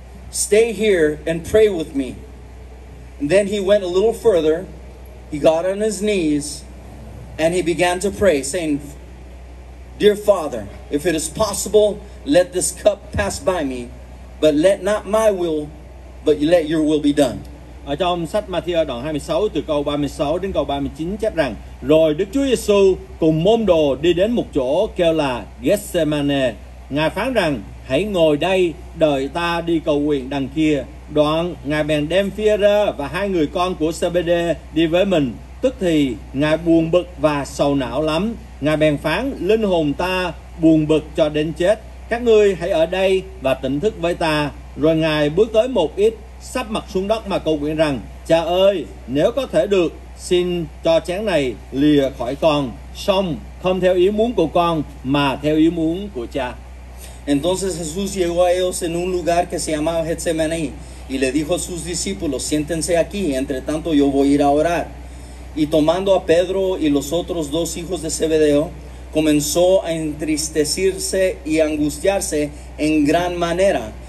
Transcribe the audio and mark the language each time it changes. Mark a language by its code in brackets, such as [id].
[en] Stay here and pray with me. And then he went a little further. He got on his knees and he began to pray, saying, dear Father, if it is possible, let this cup pass by me, but let not my will, but let your will be done. [vi] Ở trong sách Matthew đoạn 26 từ câu 36 đến câu 39 chép rằng, rồi Đức Chúa Giêsu cùng môn đồ đi đến một chỗ kêu là Gethsemane. Ngài phán rằng, hãy ngồi đây đợi ta đi cầu nguyện đằng kia. Đoạn ngài bèn đem Phi-e-rơ và hai người con của Sê-bê-đê đi với mình. Tức thì ngài buồn bực và sầu não lắm. Ngài bèn phán, linh hồn ta buồn bực cho đến chết. Các ngươi hãy ở đây và tỉnh thức với ta. Rồi ngài bước tới một ít, sắp mặt xuống đất mà cầu nguyện rằng, cha ơi, nếu có thể được, xin cho chén này lìa khỏi con, xong không theo ý muốn của con mà theo ý muốn của cha. [es] Entonces Jesús llegó a ellos en un lugar que se llamaba Getsemaní y le dijo a sus discípulos, siéntense aquí, entre tanto yo voy a ir a orar. Y tomando a Pedro y los otros dos hijos de Zebedeo, comenzó a entristecirse y angustiarse en gran manera.